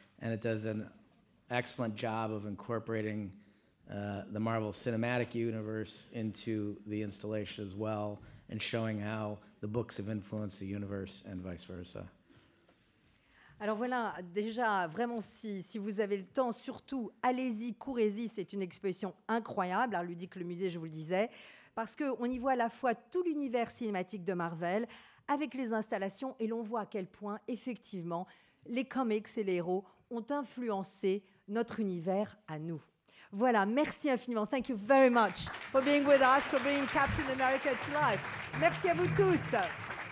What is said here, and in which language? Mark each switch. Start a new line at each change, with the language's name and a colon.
English: And it does an excellent job of incorporating the Marvel Cinematic Universe into the installation as well, and showing how the books have influenced the universe and vice versa.
French: Alors voilà, déjà, vraiment, si vous avez le temps, surtout, allez-y, courez-y, c'est une exposition incroyable, Art Ludique, le musée, je vous le disais, parce qu'on y voit à la fois tout l'univers cinématique de Marvel avec les installations, et l'on voit à quel point, effectivement, les comics et les héros ont influencé notre univers à nous. Voilà, merci infiniment.
English: Thank you very much for being with us, for bringing Captain America to life.
French: Merci à vous tous.